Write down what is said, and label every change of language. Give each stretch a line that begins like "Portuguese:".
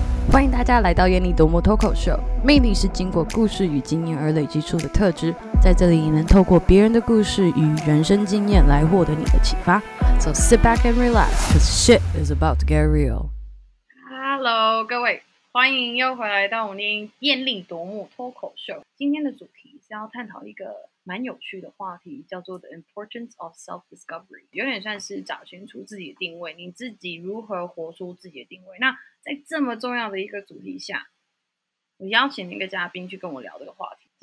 Chinese: 欢迎大家来到眼里多么脱口秀，魅力是经过故事与经验而累积出的特质，在这里你能透过别人的故事与人生经验来获得你的启发。
English: So sit back and relax, cause shit is about to get real.
Chinese: Hello， 各位，欢迎又回来到我们眼里多么脱口秀。今天的主题是要探讨一个蛮有趣的话题，叫做
English: The Importance of Self-Discovery，
Chinese: 有点算是找寻出自己的定位，你自己如何活出自己的定位。那在这么重要的一个主题下，我邀请一个嘉宾去跟我聊这个话题。